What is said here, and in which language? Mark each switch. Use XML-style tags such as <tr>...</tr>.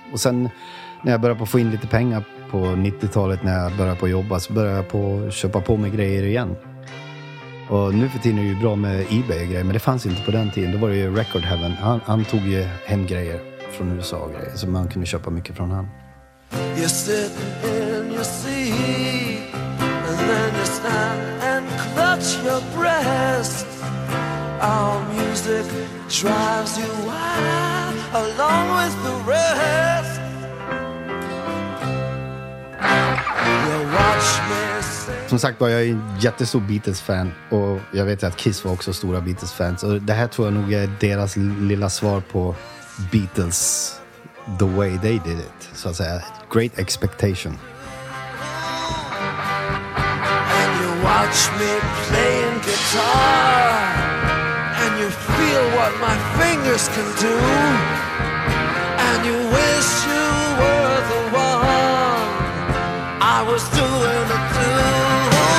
<sv>Och sen när jag började på få in lite pengar på 90-talet när jag började på jobba, så började jag på köpa på mig grejer igen. Och nu för tiden är det ju bra med eBay och grejer, men det fanns inte på den tiden. Då var det ju Record Heaven. Han tog ju hem grejer från USA och grejer, så man kunde köpa mycket från han.</sv> <en>You sit and you see, and then you stand and clutch your breast. Our music drives you wild along with the rest. You watch me.</en> <sv>Som sagt, jag är en jättestor Beatles-fan och jag vet att Kiss var också stora Beatles-fans. Och det här tror jag nog är deras lilla svar på Beatles,</sv> <en>the way they did it,</en> <sv>så att säga.</sv> <en>Great expectation. And you watch me playing guitar, and you feel what my fingers can do, and you wish you were the one I was doing it to.</en>